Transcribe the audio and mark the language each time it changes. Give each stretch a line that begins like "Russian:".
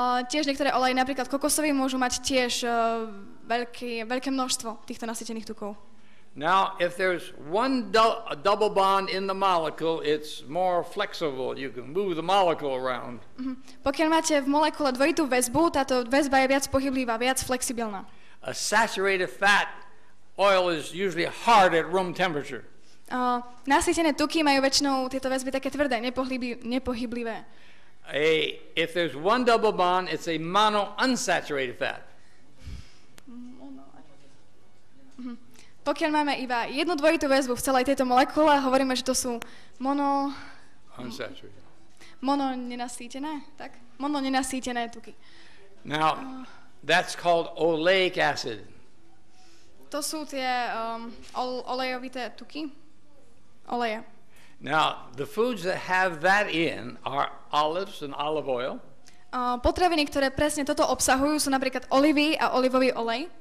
Slovak: Tiež niektoré oleje, napríklad kokosový, môžu mať tiež veľké množstvo týchto nasýtených tukov.
English: Now, if there's one double bond in the molecule, it's more flexible. You can move the molecule around.
Slovak: Pokiaľ máte v molekule dvojitú väzbu, táto väzba je viac pohyblivá, viac flexibilná.
English: A saturated fat oil is usually hard at room temperature.
Slovak: Nasýtené tuky majú väčšinou tieto väzby také tvrdé, nepohyblivé.
English: If there's one double bond, it's a monounsaturated fat.
Slovak: Pokiaľ máme iba jednu dvojitú väzbu v celej tejto molekule, hovoríme, že to sú mononenasýtené tuky.
English: Now, that's called oleic acid.
Slovak: To sú tie olejovité tuky. Oleje.
English: Now, the foods that have that in are olives and olive oil.
Slovak: Potraviny, ktoré presne toto obsahujú, sú napríklad olivy a olivový olej.